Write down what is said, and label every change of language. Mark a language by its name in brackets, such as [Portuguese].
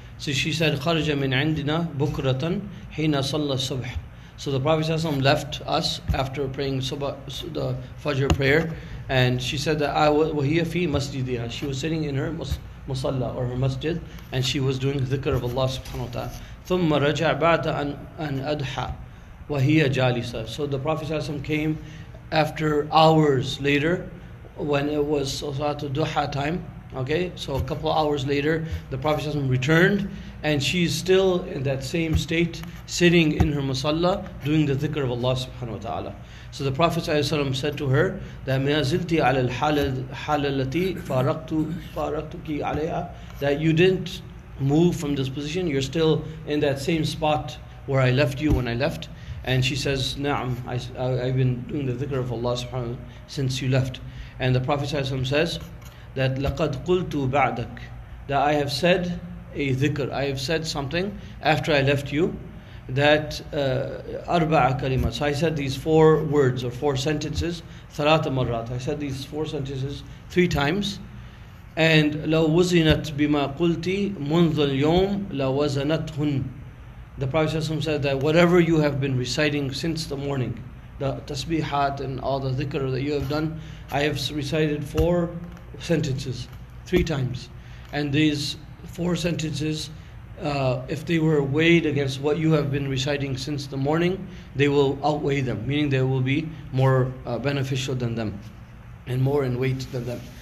[English] So she said, [Arabic] "Kharaja min indina bukratan hina salla subh." [English] So the Prophet ﷺ left us after praying the Fajr prayer, and she said that I was [Arabic] wahiya fi masjidiha. [English] She was sitting in her Musalla or her masjid, and she was doing dhikr of Allah subhanahu wa ta'ala. [Arabic] ثم رجع بعد أن أدحى وهي جالسة. [English] So the Prophet ﷺ came after hours later, when it was Salat al-Duha time. Okay, so a couple of hours later, the Prophet ﷺ returned, and she's still in that same state, sitting in her musalla, doing the dhikr of Allah subhanahu wa ta'ala. So the Prophet ﷺ said to her, that [Arabic] مَا زِلْتِ عَلَى الْحَالَ الَّتِي فَارَقْتُكِ عَلَيْهَا, [English] that you didn't move from this position, you're still in that same spot where I left you when I left. And she says, "Na'am, I've been doing the dhikr of Allah subhanahu wa ta'ala since you left." And the Prophet says that [Arabic] لَقَدْ قُلْتُ بَعْدَكَ, [English] that I have said a dhikr, I have said something after I left you, that [Arabic] أَرْبَعَ كَلِمَةً, [English] so I said these four words or four sentences, [Arabic] ثَلَاثَ مَرَّاتٍ, [English] I said these four sentences three times. [Arabic] And لو وزنت بما قلتي منذ اليوم لوزنتهن. [English] The Prophet ﷺ said that whatever you have been reciting since the morning, the tasbihat and all the dhikr that you have done, I have recited four sentences, three times. And these four sentences, if they were weighed against what you have been reciting since the morning, they will outweigh them, meaning they will be more beneficial than them, and more in weight than them.